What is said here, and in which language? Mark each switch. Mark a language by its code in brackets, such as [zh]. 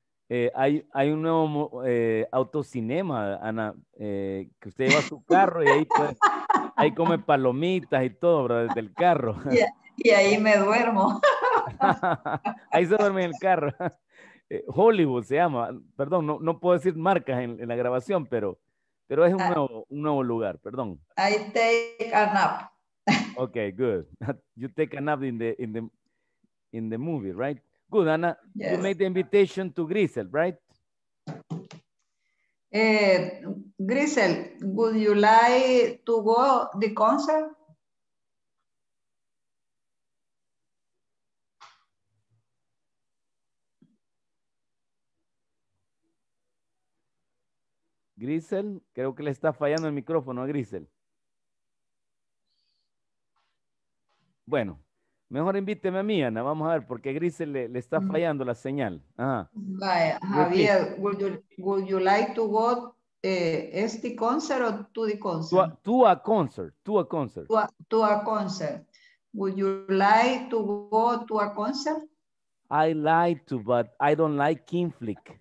[es] Hay un nuevo autocinema, Ana, que usted lleva su carro y ahí, pues, ahí come palomitas y todo, bro, desde el carro. Y ahí me duermo. Ahí se duerme en el carro. Hollywood se llama, perdón, no puedo decir marcas en la grabación, pero es un nuevo lugar, perdón. [en] I take a nap. Okay, good. You take a nap in the movie, right? Good, Ana. Yes. You made the invitation to Grisel, right? Grisel, would you like to go to the concert? [es] Grisel, creo que le está fallando el micrófono a Grisel. Bueno, Mejor invíteme a mí, Ana. Vamos a ver, porque Grisel le está fallando la señal. Ajá. [en] Vaya, Javier, would you like to go este concert o to the concert? To a concert. To a concert. Would you like to go to a concert? I like to, but I don't like King Flick.